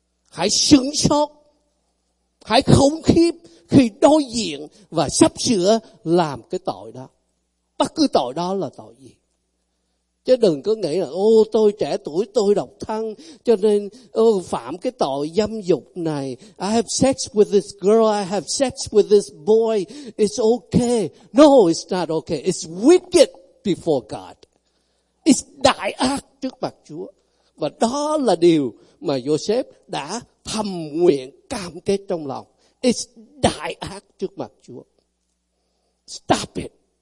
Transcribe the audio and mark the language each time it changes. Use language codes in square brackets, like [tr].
[vi] Hãy sửng sốt, hãy khủng khiếp khi đối diện và sắp sửa làm cái tội đó. Bất cứ tội đó là tội gì. Chứ đừng có nghĩ là, ô tôi trẻ tuổi, tôi độc thân, cho nên ô, phạm cái tội dâm dục này. [en] I have sex with this girl, I have sex with this boy, it's okay. No, it's not okay. It's wicked before God. It's [vi] đại ác trước mặt Chúa. Và đó là điều mà Joseph đã thầm nguyện cam kết trong lòng. [en] It's [vi] đại ác trước mặt Chúa. [en] Stop it.